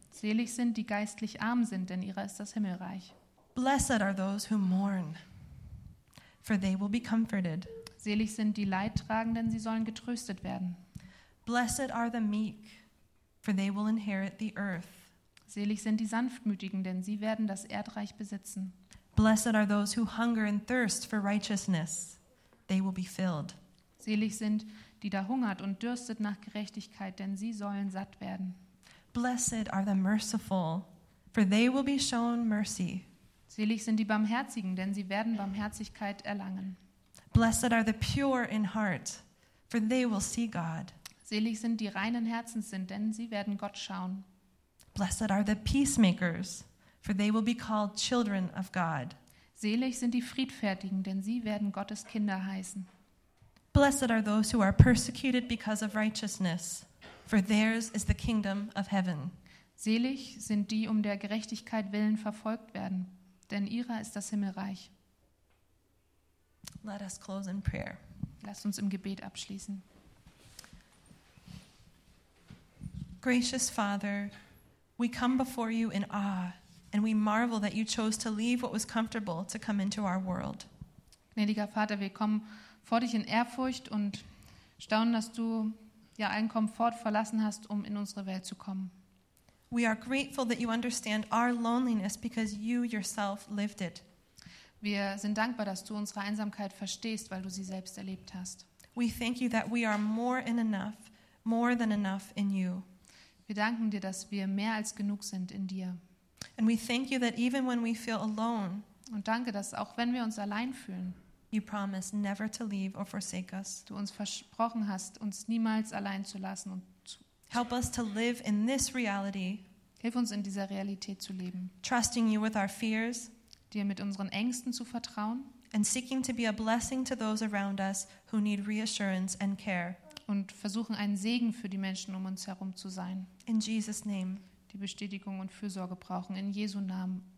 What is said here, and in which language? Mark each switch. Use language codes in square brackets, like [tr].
[de] Selig sind die geistlich arm sind, denn ihrer ist das Himmelreich. [en] Blessed are those who mourn, for they will be comforted. [de] Selig sind die Leidtragenden, sie sollen getröstet werden. [en] Blessed are the meek, for they will inherit the earth. [de] Selig sind die Sanftmütigen, denn sie werden das Erdreich besitzen. [en] Blessed are those who hunger and thirst for righteousness. They will be filled. [de] Selig sind die da hungert und dürstet nach Gerechtigkeit, denn sie sollen satt werden. [en] Blessed are the merciful, for they will be shown mercy. [de] Selig sind die Barmherzigen, denn sie werden Barmherzigkeit erlangen. [en] Blessed are the pure in heart, for they will see God. [de] Selig sind die reinen Herzens sind, denn sie werden Gott schauen. [en] Blessed are the peacemakers, for they will be called children of God. [de] Selig sind die Friedfertigen, denn sie werden Gottes Kinder heißen. [en] Blessed are those who are persecuted because of righteousness, for theirs is the kingdom of heaven. [de] Selig sind die, um der Gerechtigkeit willen verfolgt werden, denn ihrer ist das Himmelreich. [en] Let us close in prayer. [de] Lasst uns im Gebet abschließen. [en] Gracious Father, we come before you in awe and we marvel that you chose to leave what was comfortable to come into our world. [de] Gnädiger Vater, wir kommen vor dich in Ehrfurcht und staunen, dass du ja einen Komfort verlassen hast, um in unsere Welt zu kommen. [en] We are grateful that you understand our loneliness because you yourself lived it. [de] Wir sind dankbar, dass du unsere Einsamkeit verstehst, weil du sie selbst erlebt hast. [en] We thank you that we are more than enough in you. [de] Wir danken dir, dass wir mehr als genug sind in dir. [en] And we thank you that even when we feel alone, [de] und danke, dass auch wenn wir uns allein fühlen, [en] you promise never to leave or forsake us. [de] Du uns versprochen hast, uns niemals allein zu lassen und zu [en] help us to live in this reality. [de] Hilf uns in dieser Realität zu leben. [en] Trusting you with our fears, [de] dir mit unseren Ängsten zu vertrauen. [en] And seeking to be a blessing to those around us who need reassurance and care. [de] Und versuchen, ein Segen für die Menschen um uns herum zu sein. [en] In Jesus' name. [de] Die Bestätigung und Fürsorge brauchen. In Jesu Namen.